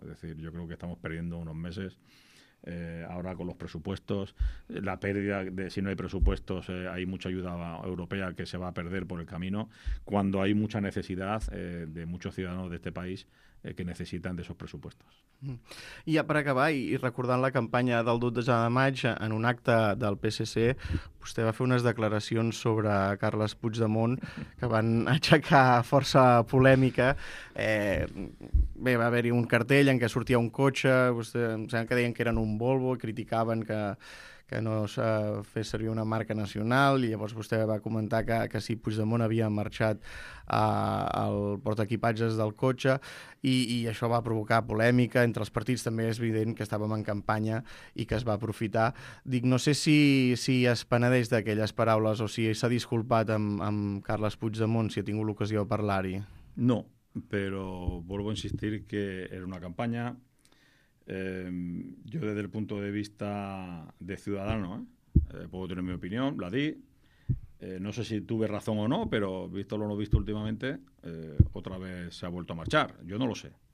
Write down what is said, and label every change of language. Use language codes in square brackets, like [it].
[es] Es decir, yo creo que estamos perdiendo unos meses ahora con los presupuestos. La pérdida de si no hay presupuestos, hay mucha ayuda europea que se va a perder por el camino, cuando hay mucha necesidad de muchos ciudadanos de este país que [ca] necessiten d'aquests pressupostos. I ja per acabar, i recordant la campanya del 12 de maig en un acte del PSC, vostè va fer unes declaracions sobre Carles Puigdemont que van aixecar força polèmica. Bé, va haver-hi un cartell en què sortia un cotxe, vostè, em sembla que deien que eren un Volvo, criticaven que no s'ha fet servir una marca nacional, i llavors vostè va comentar que si Puigdemont havia marxat al portaequipatges del cotxe, i això va provocar polèmica entre els partits. També és evident que estàvem en campanya i que es va aprofitar. Dic, no sé si es penedeix d'aquelles paraules o si s'ha disculpat amb Carles Puigdemont, si ha tingut l'ocasió de parlar-hi. No, però volvo a insistir que era una campanya. [es] Yo desde el punto de vista de ciudadano, puedo tener mi opinión, la di, no sé si tuve razón o no, pero visto lo no visto últimamente, otra vez se ha vuelto a marchar, yo no lo sé,